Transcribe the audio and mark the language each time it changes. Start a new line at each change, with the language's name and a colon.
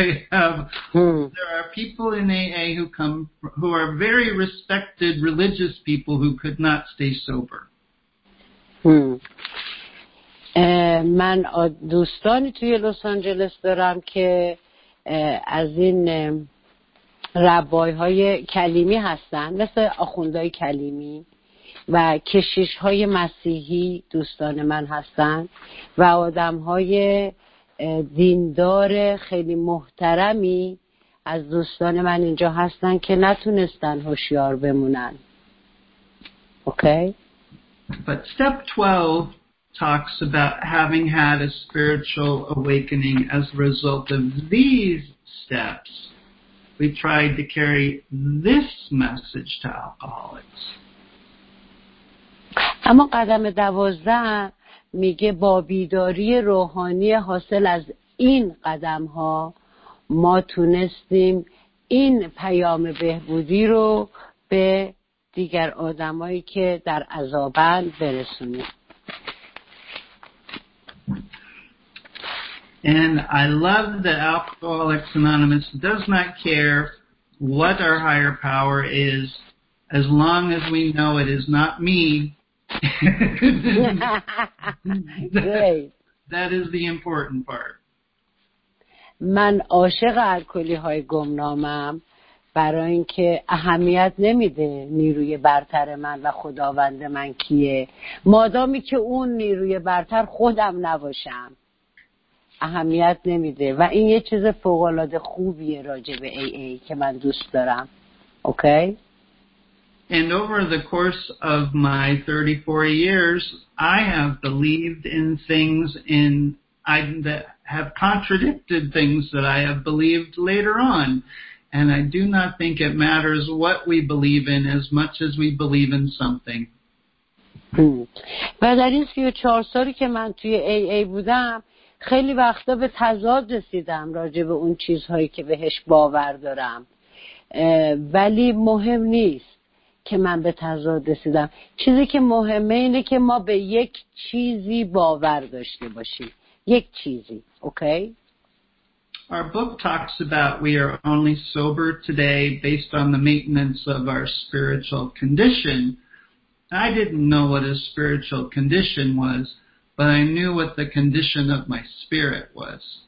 English: There are people in AA who are very respected religious people who could not stay sober.
Persian: من دوستانی توی لس آنجلس دارم که از این ربای‌های کلیمی هستن، مثل آخوندهای کلیمی. و کشیش های مسیحی دوستان من هستند و آدم های دیندار خیلی محترمی از دوستان من اینجا هستند که نتونستن هوشیار بمونن. اوکی؟
English: But step 12 talks about having had a spiritual awakening as a result of these steps. We tried to carry this message to alcoholics.
Persian: اما قدم 12 میگه با بیداری روحانی حاصل از این قدم ها ما تونستیم این پیام بهبودی رو به دیگر آدمایی که در عذابند برسونیم.
English: And I love that Alcoholics Anonymous does not care what our higher power is as long as we know it is not me. that is the important part.
Persian: من عاشق الکلی‌های گمنامم برای اینکه اهمیت نمیده نیروی برتر من و خداوند من کیه، مادامی که اون نیروی برتر خودم نباشم اهمیت نمیده و این یه چیز فوق‌العاده خوبیه راجع به AA که من دوست دارم. اوکی؟
English: And over the course of my 34 years, I have believed in things that have contradicted things that I have believed later on. And I do not think it matters what we believe in as much as we believe in something.
Persian: و در این 34 سالی که من توی AA بودم، خیلی وقتا به تضاد رسیدم راجع به اون چیزهایی که بهش باور دارم. ولی مهم نیست که من به تضاد رسیدم. چیزی که مهمه اینه که ما به یک چیزی باور داشته باشیم. یک چیزی. اوکی؟
English: Our book talks about we are only sober today based on the maintenance of our spiritual condition. I didn't know what a spiritual condition was, but I knew what the condition of my spirit was.